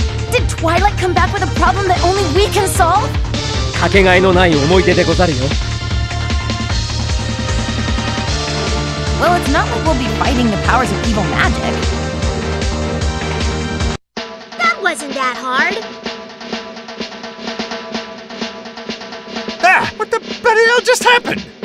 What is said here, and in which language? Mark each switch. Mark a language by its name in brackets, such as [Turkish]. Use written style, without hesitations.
[English] Did Twilight come back with a problem that only we can solve? [Japanese] かけがえのない思い出でござるよ。 [English] Well, it's not like we'll be fighting the powers of evil magic. That wasn't that hard. Ah! What the bloody hell just happened?